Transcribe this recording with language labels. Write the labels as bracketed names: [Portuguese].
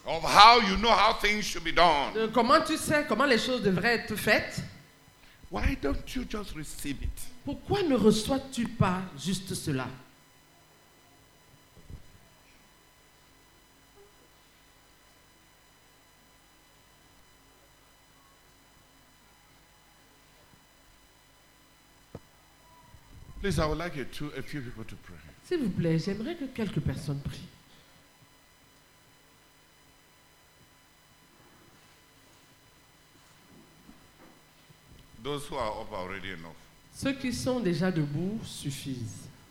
[English] of how you know how things should be done, [French] de comment tu sais comment les choses devraient être faites, [English] why don't you just receive it? [French] Pourquoi ne reçois-tu pas juste cela? [English] Please, I would like you to, a few people to pray. [French] S'il vous plaît, j'aimerais que quelques personnes prient. [English] Those who are up already enough. [French] Ceux qui sont déjà debout suffisent.